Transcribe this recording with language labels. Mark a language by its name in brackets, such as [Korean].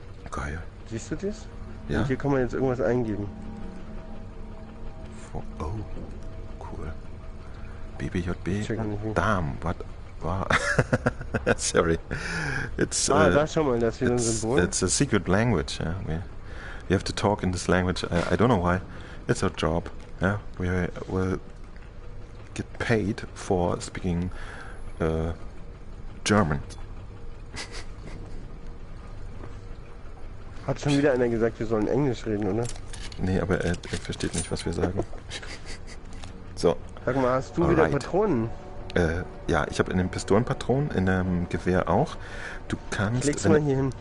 [German] Geil. Siehst du das? Ja. Und hier kann man jetzt irgendwas eingeben. [English] Oh, cool. BBJB. Darm, what? Wow. Sorry. [German] Da schau mal, das ist wieder ein Symbol. [English] It's a secret language, yeah. We have to talk in this language. I don't know why. It's our job, yeah. We will get paid for speaking German. [German] Hat schon wieder einer gesagt, wir sollen Englisch reden, oder? Nee, aber er versteht nicht, was wir sagen. So. Sag mal, hast du wieder Patronen? Ja, ich habe in den Pistolenpatronen, in dem Gewehr auch. Du kannst. Leg's mal hier hin.